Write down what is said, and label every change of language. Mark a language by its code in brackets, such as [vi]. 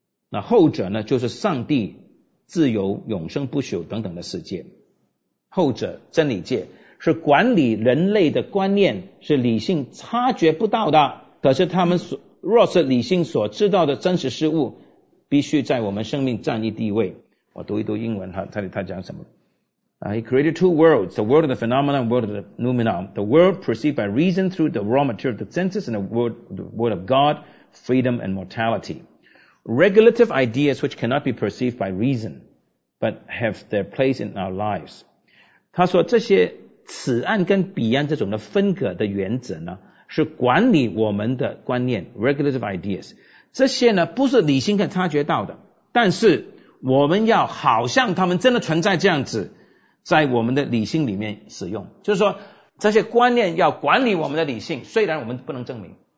[zh] 那后者呢就是上帝、自由、永生不朽等等的世界。后者真理界是管理人类的观念，是理性察觉不到的，可是他们若是理性所知道的真实事物，必须在我们生命占一地位。我读一读英文，他讲什么。 [en] He created two worlds, the world of the phenomena and the world of the noumena, the world perceived by reason through the raw material of the senses and the world of God, freedom and mortality. Regulative ideas which cannot be perceived by reason, but have their place in our lives. [zh] 他说这些此岸跟彼岸这种的分隔的原则呢，是管理我们的观念 regulative ideas， 这些呢不是理性可以察觉到的，但是我们要好像他们真的存在这样子，在我们的理性里面使用，就是说这些观念要管理我们的理性，虽然我们不能证明。